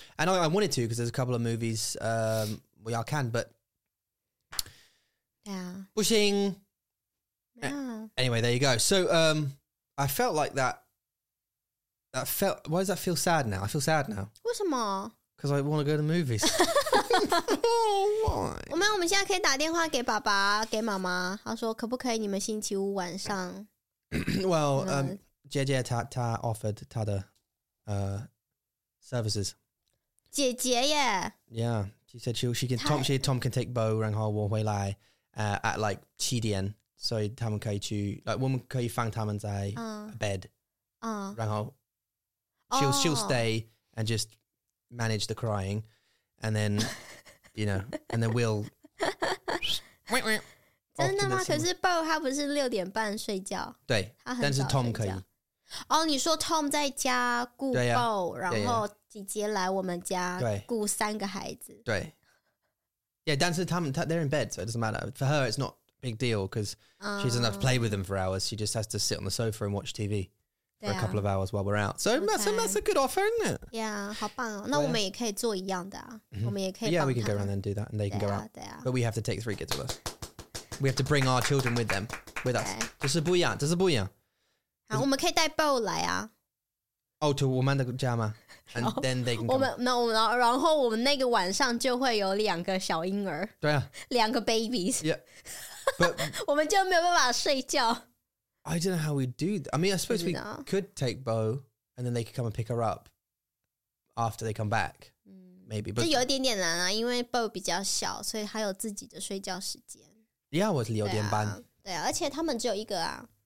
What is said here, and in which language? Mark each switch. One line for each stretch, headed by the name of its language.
English: And I wanted to, because there's a couple of movies we all can, but... Yeah.
Chinese: 不行。
English: Yeah. Anyway, there you go. So, I felt like that... That felt... Why does that feel sad now? I feel sad now.
Chinese: 为什么？
English: Because I want to go to the movies. Why?
Chinese: 我们现在可以打电话给爸爸给妈妈他说可不可以你们星期五晚上
English: Well, JJ 他 offered
Chinese: 他的
English: services
Chinese: 姐姐耶
English: Yeah, she said she can Tom, she, Tom can take Bo
Chinese: 然后我回来
English: at like
Chinese: 七点所以他们可以去
English: like,
Chinese: 我们可以放他们在
English: bed 然后 she'll stay and just manage the cryingAnd then, you know, and then we'll...
Chinese: 真的吗？可是 Bo 他不是六点半睡觉。对，但是 Tom 可以。哦，你说 Tom 在家顾 Bo, 对啊，然后姐姐来我们家对顾三个孩子。对。
English: Yeah,
Chinese: 但是他们,
English: they're in bed, so it doesn't matter. For her, it's not a big deal, because she doesn't have to play with them for hours. She just has to sit on the sofa and watch TV. For a couple of hours while we're out. So、 okay. that's a good offer, isn't it? Yeah,
Chinese: 好棒哦。那我们也可以做一样的啊。我们也可以
English: Yeah, we can go around and do that, and they can go out.
Chinese: 对啊。
English: But we have to take three kids with us. We have to bring our children with them, with us.
Chinese: 这是不一样，这是不一样。好，我们可以带 Bo 来啊。
English: Oh, to
Chinese: 我们的家吗？
English: And then they can come.
Chinese: 我们，那我们，然后我们那个晚上就会有两个小婴儿。对啊。两个 babies.
English: Yeah. But,
Chinese: 我们就没有办法睡觉。
English: I don't know how we'd do that. I mean, I suppose we could take Bo and then they could come and pick her up after they come back, maybe. But
Chinese: 就有点点难啊，因为 Bo 比较小，所以他有自己的睡觉时间。
English: Yeah,
Chinese: 我是六点半。对啊，而且他们只有一个啊。